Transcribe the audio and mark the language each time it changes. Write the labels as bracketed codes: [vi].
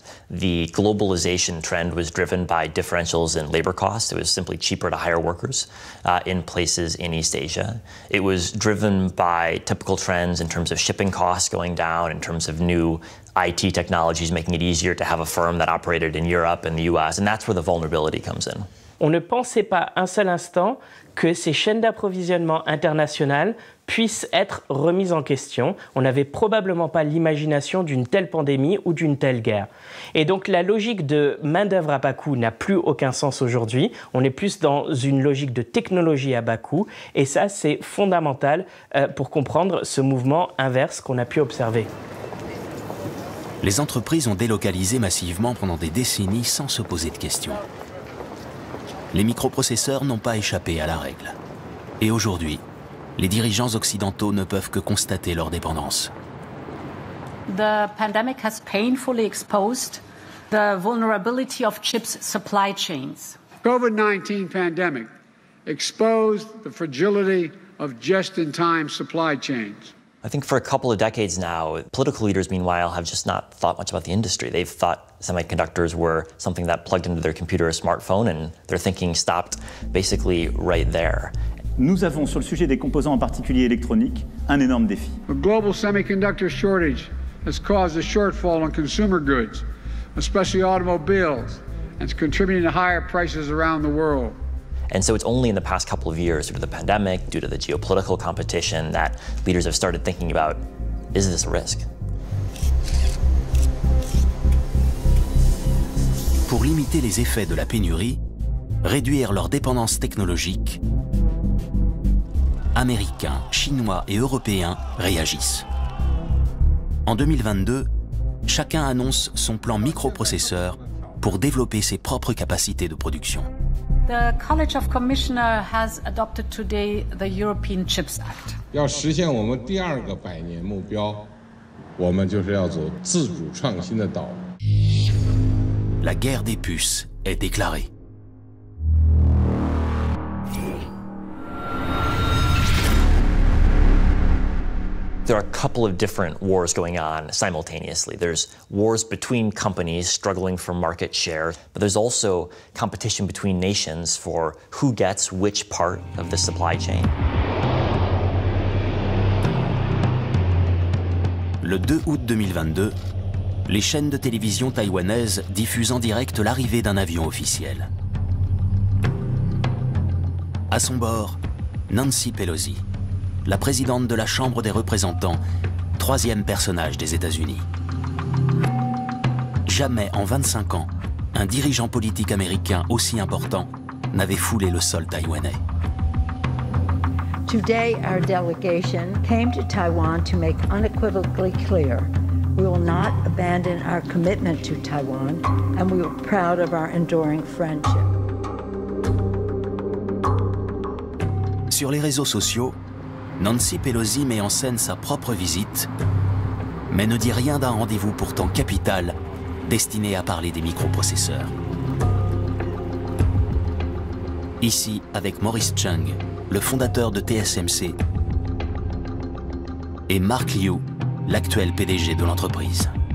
[en] the globalization trend was driven by differentials in labor costs. It was simply cheaper to hire workers in places in East Asia. It was driven by typical trends in terms of shipping costs going down, in terms of new IT technologies making it easier to have a firm that operated in Europe and the US, and that's where the vulnerability comes in. [fr] On ne pensait pas un seul instant que ces chaînes d'approvisionnement internationales puissent être remises en question. On n'avait probablement pas l'imagination d'une telle pandémie ou d'une telle guerre. Et donc la logique de main-d'œuvre à bas coût n'a plus aucun sens aujourd'hui. On est plus dans une logique de technologie à bas coût. Et ça, c'est fondamental pour comprendre ce mouvement inverse qu'on a pu observer. Les entreprises ont délocalisé massivement pendant des décennies sans se poser de questions. Les microprocesseurs n'ont pas échappé à la règle. Et aujourd'hui, les dirigeants occidentaux ne peuvent que constater leur dépendance. [en] The pandemic has painfully exposed the vulnerability of chips supply chains. COVID-19 pandemic exposed the fragility of just-in-time supply chains. I think for a couple of decades now, political leaders, meanwhile, have just not thought much about the industry. They've thought semiconductors were something that plugged into their computer or smartphone, and their thinking stopped basically right there. [fr] Nous avons sur le sujet des composants en particulier électroniques un énorme défi. [en] The global semiconductor shortage has caused a shortfall in consumer goods, especially automobiles, and it's contributing to higher prices around the world. And so it's only in the past couple of years, due to the pandemic, due to the geopolitical competition, that leaders have started thinking about, is this a risk? [fr] Pour limiter les effets de la pénurie, réduire leur dépendance technologique, Américains, Chinois et Européens réagissent. En 2022, chacun annonce son plan microprocesseur pour développer ses propres capacités de production. [en] The College of Commissioners has adopted today the European Chips Act. [zh] 要实现我们第二个百年目标, 我们就是要走自主创新的道路. [fr] La guerre des puces est déclarée. [en] There are a couple of different wars going on simultaneously. There's wars between companies struggling for market share, but there's also competition between nations for who gets which part of the supply chain. [fr] Le 2 août 2022, les chaînes de télévision taïwanaises diffusent en direct l'arrivée d'un avion officiel. À son bord, Nancy Pelosi, la présidente de la Chambre des représentants, troisième personnage des États-Unis. Jamais en 25 ans, un dirigeant politique américain aussi important n'avait foulé le sol taïwanais. [en] Today, our delegation came to Taiwan to make unequivocally clear we will not abandon our commitment to Taiwan and we are proud of our enduring friendship. [fr] Sur les réseaux sociaux, Nancy Pelosi met en scène sa propre visite, mais ne dit rien d'un rendez-vous pourtant capital destiné à parler des microprocesseurs. Ici, avec Maurice Chung, le fondateur de TSMC, et Mark Liu, l'actuel PDG de l'entreprise.